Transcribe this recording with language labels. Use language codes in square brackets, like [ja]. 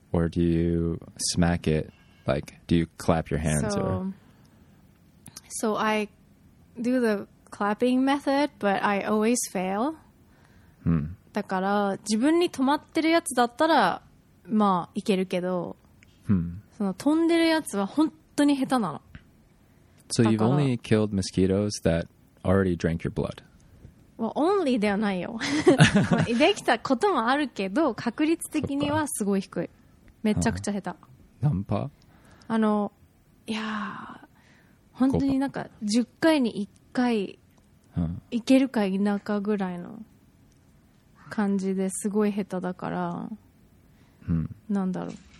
[en] Or do you smack it, like, do you clap your hands? So I do the clapping method, but I always fail. [ja] だから自分に止まってるやつだったらまあいけるけど、その飛んでるやつは本当に下手なの。 [en] So you've only killed mosquitoes that already drank your blood? Well, only [ja] ではないよ。できたこともあるけど、確率的にはすごい低い。めちゃくちゃ下手。何パー? あの、いやー、本当になんか10回に1回いけるか否かぐらいの感じですごい下手だから、なんだろう。